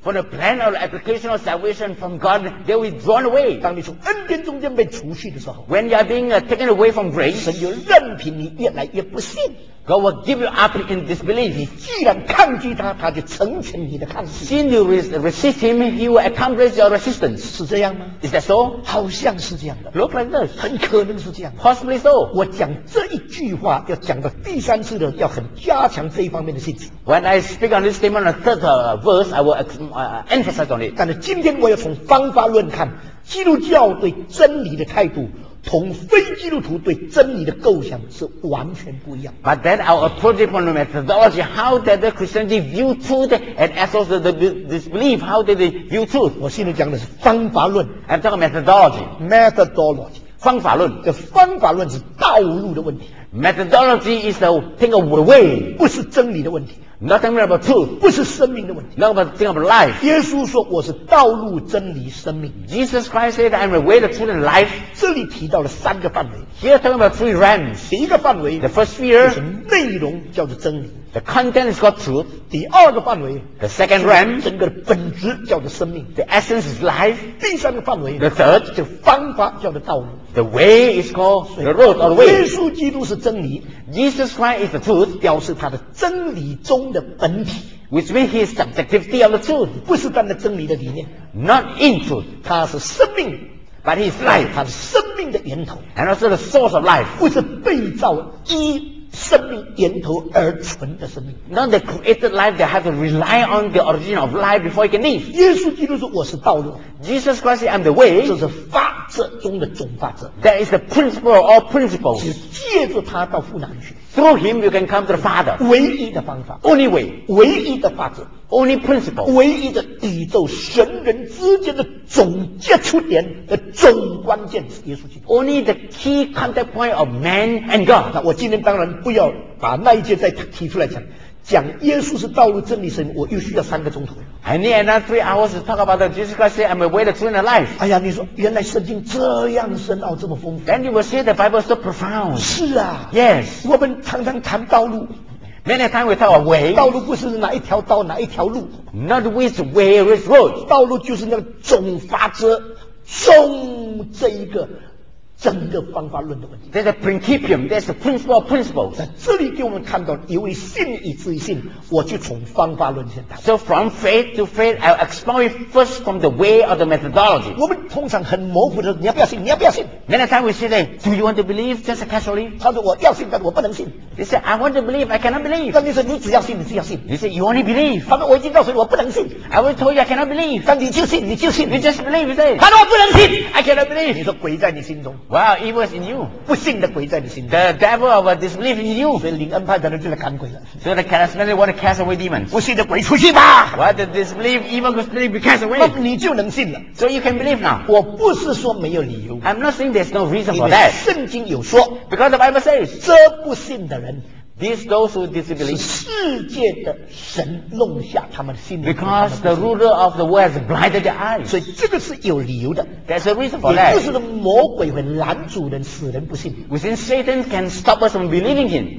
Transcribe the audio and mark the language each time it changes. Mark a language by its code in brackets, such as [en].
[en] From the plan of application of salvation from God, they will be drawn away. [zh] 当你从恩典中间被除去的时候， [en] When you are being taken away from grace, [zh] 神就任凭你越来越不信。 [en] God will give you up in disbelief. [zh] 你既然抗拒他，他就成全你的抗拒。 [en] Since you resist him, he will accomplish your resistance. [zh] 是这样吗？ [en] Is that so? [zh] 好像是这样的。 [en] Look like this. [zh] 很可能是这样。 [en] Possibly so. [zh] 我讲这一句话，要讲到第三次的，要很加强这一方面的信心。 [en] When I speak on this statement, the third verse, I will emphasize on it. [zh] 但是今天我要从方法论看，基督教对真理的态度同非基督徒对真理的构想是完全不一样。 [en] But then I'll approach it from the methodology. How did the Christianity view truth and as also the disbelief? How did they view truth? [zh] 我现在讲的是方法论。 [en] I'm talking about methodology. Methodology. [zh] 方法论。这方法论是道路的问题。 [en] Methodology is the thing of the way. [zh] 不是真理的问题。 [en] Nothing about truth. [zh] 不是生命的问题。 [en] Not about thing of life. [zh] 耶稣说我是道路真理生命。 [en] Jesus Christ said I'm the way, the truth and life. [zh] 这里提到了三个范围。 [en] Here talking about three realms. [zh] 第一个范围。 [en] The first sphere. [zh] 就是内容叫做真理。 [en] The content is called truth. [zh] 第二个范围。 [en] The second realm. [zh] 整个的本质叫做生命。 [en] The essence is life. [zh] 第三个范围。 [en] The third. [zh] 就方法叫做道路。 [en] The way is called the road or the way. [zh] 耶稣基督是真理。 [en] Jesus Christ is the truth. [zh] 表示他的真理中的本体。 [en] Which means his subjectivity of the truth. [zh] 不是单单真理的理念。 [en] Not in truth. [zh] 他是生命。 [en] But he is life. [zh] 他是生命的源头。 [en] And also the source of life. [zh] 不是被造一生命源头而存的生命。 [en] Not the created life that have to rely on the origin of life before he can live. [zh] 耶稣基督说我是道路。 [en] Jesus Christ said, I'm the way. [zh] 这是法则中的总法则。 [en] That is the principle of all principles. [zh] 只借着他到父那里去。 [en] Through him you can come to the Father. [zh] 唯一的方法。 [en] Only way. [zh] 唯一的法则。 [en] Only principle. [zh] 唯一的宇宙神人之间的总接触点的总关键是耶稣基督。 [en] Only the key contact point of man and God. [zh] 那我今天当然不要把那一件再提出来讲。讲耶稣是道路真理神，我又需要三个钟头。 [en] I need another 3 hours to talk about the Jesus Christ. I'm a way to truth and life. [zh] 哎呀，你说原来圣经这样深奥，这么丰富。 [en] Then you will say the Bible is so profound. [zh] 是啊。 [en] Yes. [zh] 我们常常谈道路。 [en] Many times we talk about way. [zh] 道路不是哪一条道哪一条路。 [en] Not which way, which road. [zh] 道路就是那个总法则，总这一个。整个方法论的问题。 [en] That's a principium. That's a principle of principles. [zh] 在这里给我们看到，因为信以至于信，我就从方法论先谈。 [en] So from faith to faith, I'll explore it first from the way of the methodology. [zh] 我们通常很模糊的，你要不要信？你要不要信 [en] ？Many times we say, that, "Do you want to believe just casually?" [zh] 他说我要信，但我不能信。 [en] He said, "I want to believe, I cannot believe." [zh] 那你说你只要信，你只要信。 [en] He said, "You only believe." [zh] 他说我已经告诉你我不能信。 [en] I was told you I cannot believe. [zh] 但你就信，你就信。 [en] You just believe, he said. [zh] 他说我不能信 [en] ，I cannot believe. [zh] 你说鬼在你心中。 [en] Wow, it was in you. [zh] 不信的鬼在你心里。 [en] The devil of disbelief in you. [zh] 所以灵恩派的人就来赶鬼了。 [en] So the charismatic want to cast away demons. [zh] 不信的鬼出去吧。 [en] What the disbelief, evil spirit be cast away. [zh] 你就能信了。 [en] So you can believe now. [zh] 我不是说没有理由。 [en] I'm not saying there's no reason for that. [zh] 圣经有说。 [en] Because the Bible says. [zh] 这不信的人。 [en] These those who disbelieve. [zh] 世界的神弄瞎他们的心灵。 [en] Because the ruler of the world has blinded their eyes. [zh] 所以这个是有理由的。 [en] There's a reason for that. [zh] 也就是魔鬼会拦阻人，使人不信。 [en] Within Satan can stop us from believing him.